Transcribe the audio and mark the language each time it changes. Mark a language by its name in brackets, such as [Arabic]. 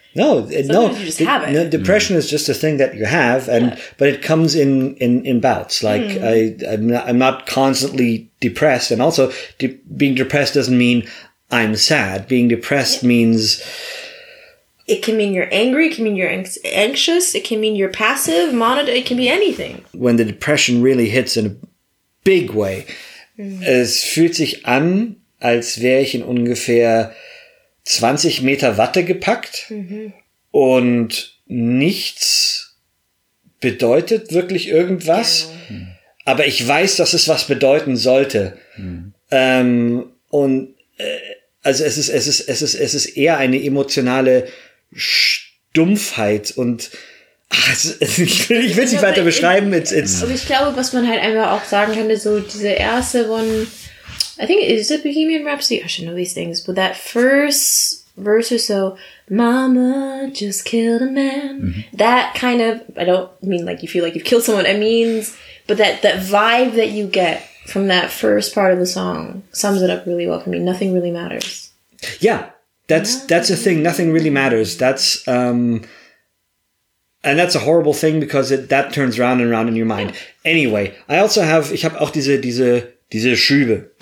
[English] No, depression is just a thing that you have, but it comes in bouts. Like, I'm not constantly depressed, and also being depressed doesn't mean I'm sad. Being depressed means... It can mean you're angry, it can mean you're anxious, it can mean you're passive, it can be anything. When the depression really hits in a big way, [German] es fühlt sich an, als wäre ich in ungefähr... 20 Meter Watte gepackt und nichts bedeutet wirklich irgendwas, aber ich weiß, dass es was bedeuten sollte. Es ist eher eine emotionale Stumpfheit und ich will es nicht weiter beschreiben. Ich glaube, was man halt einfach auch sagen könnte, so diese erste von [English] I think it is a Bohemian Rhapsody. I should know these things. But that first verse or so, Mama just killed a man. Mm-hmm. That kind of, I don't mean like you feel like you've killed someone. It means, but that vibe that you get from that first part of the song sums it up really well for me. Nothing really matters. Yeah, that's a thing. Nothing really matters. That's, and that's a horrible thing because that turns round and round in your mind. Yeah. Anyway, I also have, [German] ich habe auch diese Schübe.